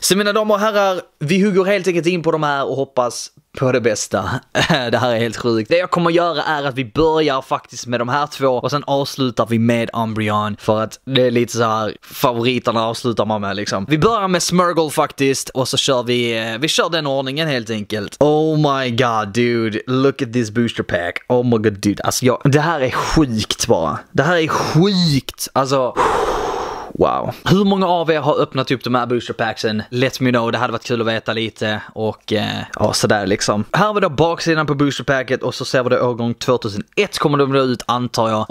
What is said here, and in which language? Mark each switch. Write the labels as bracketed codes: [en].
[sv] Så mina damer och herrar, vi hugger helt enkelt in på de här och hoppas på det bästa. Det här är helt sjukt. Det jag kommer göra är att vi börjar faktiskt med de här två och sen avslutar vi med Umbreon, för att det är lite så här favoriterna avslutar man med liksom. Vi börjar med Smurgle faktiskt och så kör vi kör den ordningen helt enkelt. [en] Oh my god dude, look at this booster pack. Oh my god dude, [sv] alltså jag, det här är sjukt bara. Det här är sjukt. Alltså wow. Hur många av er har öppnat upp de här boosterpacksen? [en] Let me know. [sv] Det hade varit kul att veta lite. Och ja, sådär liksom. Här har vi då baksidan på boosterpacket. Och så ser vi då årgång 2001 kommer de då ut, antar jag.